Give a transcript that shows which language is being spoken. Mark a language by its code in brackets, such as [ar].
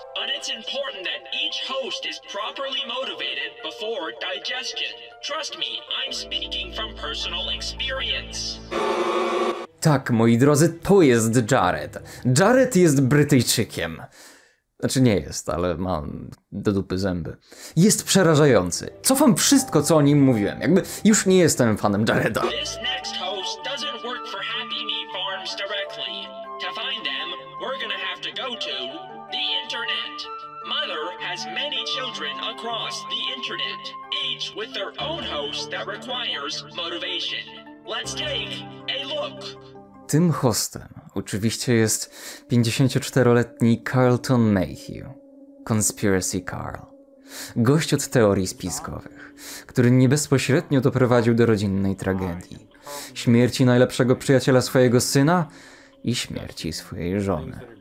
[en] But it's important that each host is properly motivated before digestion. Trust me, I'm speaking from personal experience. [pl] Tak, moi drodzy, to jest Jared. Jared jest Brytyjczykiem. Znaczy nie jest, ale mam do dupy zęby. Jest przerażający. Cofam wszystko, co o nim mówiłem. Jakby już nie jestem fanem Jareda. [en] This next host doesn't work for Happy Meat Farms directly. To find them, we're gonna have to go to the internet. Mother has many children across the internet, each with their own host that requires motivation. Let's take a look. [pl] Tym hostem oczywiście jest 54-letni Carlton Mayhew, Conspiracy Carl. Gość od teorii spiskowych, który nie bezpośrednio doprowadził do rodzinnej tragedii. Śmierci najlepszego przyjaciela swojego syna i śmierci swojej żony.